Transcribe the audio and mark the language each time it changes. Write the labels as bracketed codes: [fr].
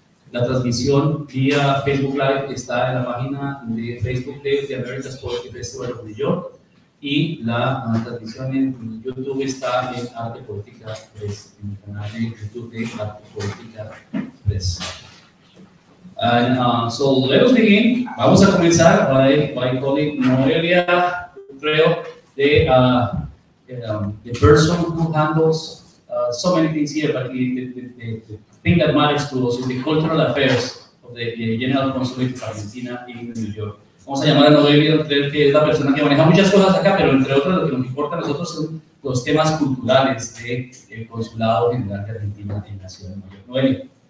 [es] La transmisión vía Facebook Live está en la página de Facebook de America's Poetry Festival of New York. Y la transmisión en YouTube está en Arte Poética Press, en el canal de YouTube de Arte Poética Press. [en] And so let us begin. Vamos a comenzar by calling Noelia Utreo, the person who handles so many things here, but the thing that matters to us is the cultural affairs of the General Consulate of Argentina in New York. [es] Vamos a llamar a Noelia Utreo, que es la persona que maneja muchas cosas acá, pero entre otras, lo que nos importa a nosotros son los temas culturales del Consulado General de Argentina en la Ciudad de Nueva York.